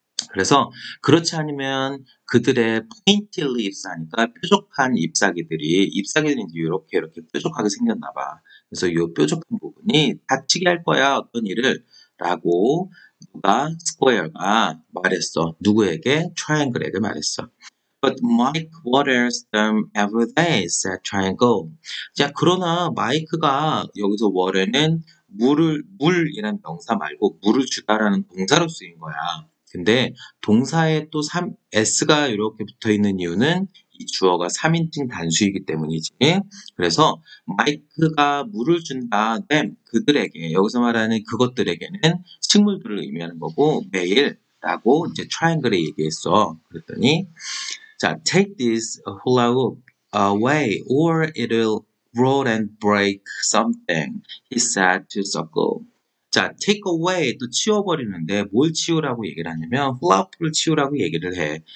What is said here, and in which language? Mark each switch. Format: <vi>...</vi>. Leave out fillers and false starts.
<ko>그래서 그렇지 않으면 그들의</ko> <en>pointy leaves</en> <ko>하니까 뾰족한 잎사귀들이 이렇게 뾰족하게 생겼나 봐. 그래서 요 뾰족한 부분이 다치게 할 거야 어떤 일을 라고 누가 스코어가 말했어. 누구에게? 트라이앵글에게 말했어.</ko> <en>But Mike waters them every day, said Triangle.</en> <ko>자, 그러나 마이크가 여기서 water는 물이라는 명사 말고 물을 주다라는 동사로 쓰인 거야. 근데 동사에 또 S가 이렇게 붙어 있는 이유는 이 주어가 3인칭 단수이기 때문이지. 그래서 마이크가 물을 준다, them, 그들에게, 여기서 말하는 그것들에게는 식물들을 의미하는 거고, 매일 라고 이제 트라이앵글에 얘기했어. 그랬더니, 자,</ko> <en>take this hula hoop away or it'll roll and break something, he said to Circle.</en> <ko>자,</ko> <en>take away,</en> <ko>또 치워버리는데, 뭘 치우라고 얘기를 하냐면, hula hoop을 치우라고 얘기를 해.</ko>